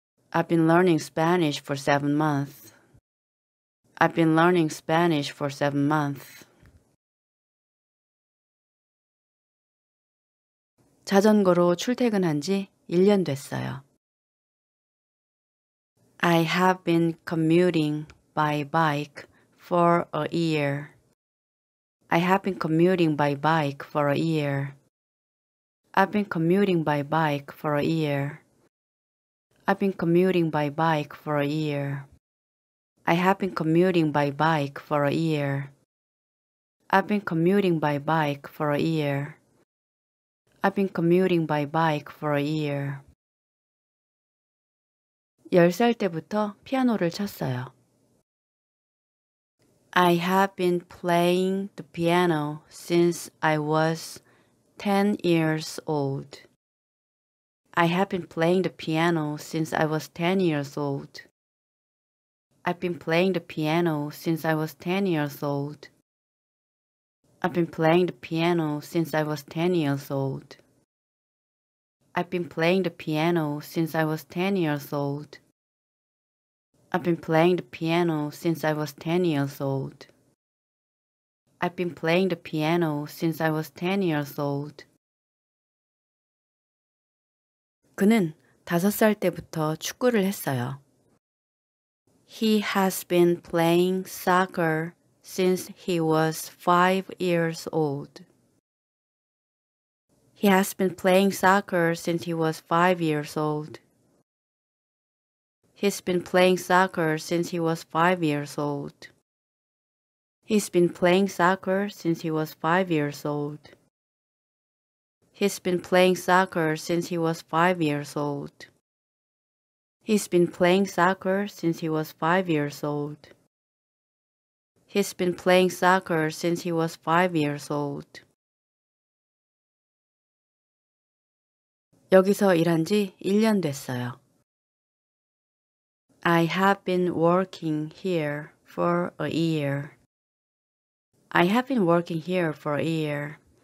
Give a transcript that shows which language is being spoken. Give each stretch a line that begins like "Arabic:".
English: I've been learning Spanish for 7 months. I've been learning Spanish for 7 months.
Korean: 자전거로 출퇴근한 지 1년 됐어요.
English: I have been commuting by bike for a year. I have been commuting by bike for a year. I've been commuting by bike for a year. I've been commuting by bike for a year. I have been commuting by bike for a year. I've been commuting by bike for a year. I've been commuting by bike for a year.
Korean: 10살 때부터 피아노를 쳤어요.
English: I have been playing the piano since I was 10 years old. I have been playing the piano since I was 10 years old. I've been playing the piano since I was 10 years old. I've been playing the piano since I was 10 years old. I've been playing the piano since I was 10 years old. I've been playing the piano since I was 10 years old. I've been playing the piano since I was 10 years old.
Korean: 그는 5살 때부터 축구를 했어요.
English: He has been playing soccer since he was 5 years old. He has been playing soccer since he was 5 years old. He's been playing soccer since he was 5 years old. He's been playing soccer since he was 5 years old. He's been playing soccer since he was 5 years old. He's been playing soccer since he was 5 years old. He's been playing soccer since he was 5 years old.
Korean: 여기서 일한 지 1년 됐어요.
English: I have been working here for a year. I have been working here for a year.